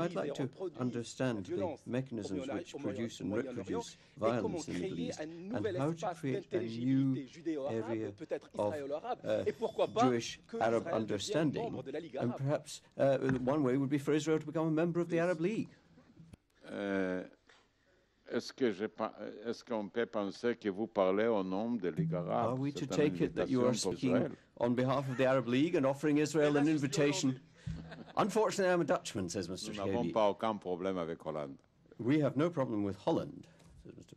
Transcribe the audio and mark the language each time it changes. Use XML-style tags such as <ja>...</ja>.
<en>I'd like to understand the mechanisms which produce and reproduce violence in the Middle East and how to create a new area of Jewish Arab understanding. And perhaps one way would be for Israel to become a member of the Arab League.</en> <fr>Est-ce qu'on peut penser que vous parlez au nom de Ligue arabe?</fr> <en>Are we to take it that you are speaking on behalf of the Arab League and offering Israel an invitation? Unfortunately, I'm a Dutchman, says Mr. Schaeby.</en> <fr>Nous n'avons pas aucun problème avec Hollande.</fr> <en>We have no problem with Holland, says Mr.</en>